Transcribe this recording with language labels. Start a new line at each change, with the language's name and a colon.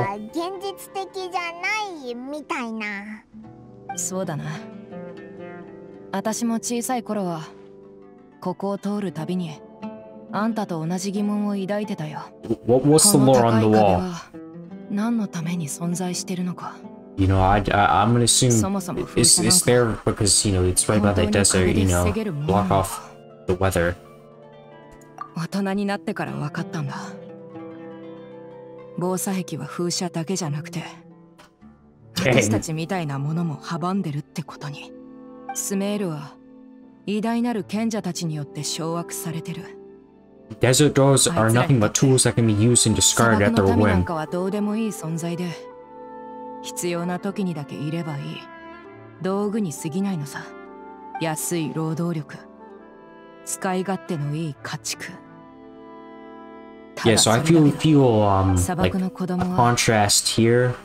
Japanese: なんか現実的じゃないみたいな。そうだな。私も小さい頃はここを通るたびに。あんたと同じ疑問を抱いてたよ。
English: What was the lore on the wall?
Japanese: 何のために存在してるのか。
English: You know, I'm gonna assume it's there because, you know, it's right by the desert, you know, block off the weather.
Japanese: 大人になってから分かったんだ。防砂壁は風車だけじゃなくて、私たちみたいなものも阻んでるってことに。スメールは偉大なる賢者たちによって掌握されてる。
English: Desert doors are nothing but tools that can be used and discarded at their whim.
Japanese: なんかはどうでもいい存在で、必要な時にだけいればいい。道具に過ぎないのさ。安い労働力、使い勝手のいい家畜。
English: Yeah, so I feel a contrast here.